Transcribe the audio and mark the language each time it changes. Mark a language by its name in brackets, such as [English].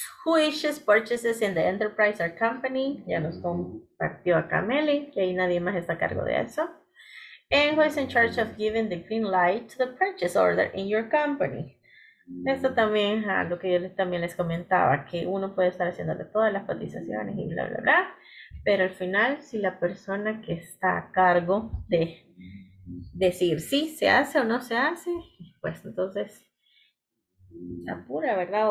[English] Who issues purchases in the enterprise or company? [Spanish] Ya nos compartió acá Meli, que ahí nadie más está a cargo de eso. [English] And who is in charge of giving the green light to the purchase order in your company? [Spanish] Esto también es algo que yo también les comentaba, que uno puede estar haciéndole todas las cotizaciones y bla, bla, bla. Pero al final, si la persona que está a cargo de decir si se hace o no se hace, pues entonces se apura, ¿verdad?